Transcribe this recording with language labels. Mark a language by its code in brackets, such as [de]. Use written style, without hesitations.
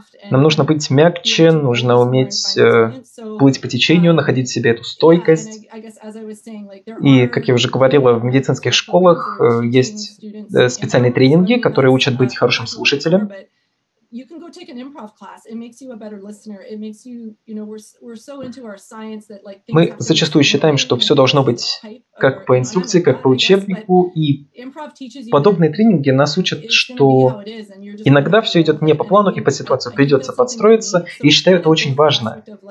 [ru] Нам нужно быть мягче, нужно уметь плыть по течению, находить в себе эту стойкость. И, как я уже говорила, в медицинских школах есть специальные тренинги, которые учат быть хорошим слушателем. [en] You can go take an improv class. It makes you a better listener. It makes you, you know, we're so into our science that like. [ru] Мы зачастую считаем, что все должно быть как по инструкции, как по учебнику, и подобные тренинги нас учат, что иногда все идет не по плану, и по ситуации придется подстроиться, и считаю это очень важно.